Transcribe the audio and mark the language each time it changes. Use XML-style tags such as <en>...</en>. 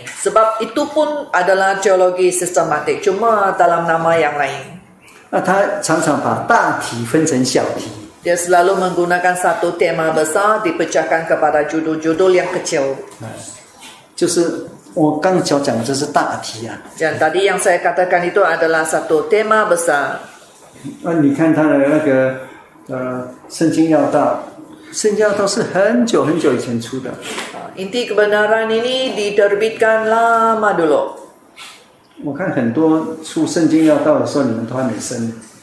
<ms>Sebab itu pun adalah teologi sistematik, cuma dalam nama yang lain.</ms> <zh>那他常常把大题分成小题。</zh> <ms>Dia selalu menggunakan satu tema besar dipecahkan kepada judul-judul yang kecil.</ms> <zh>就是我刚才讲的这是大题啊。</zh> <ms>Dan tadi yang saya katakan itu adalah satu tema besar.</ms> <zh>那你看他的那个圣经要道，圣经要道是很久很久以前出的。</zh> <ms>Inti kebenaran ini diterbitkan lama dulu。</ms> <zh>我看很多出圣经要道的时候，你们都还没生。</zh>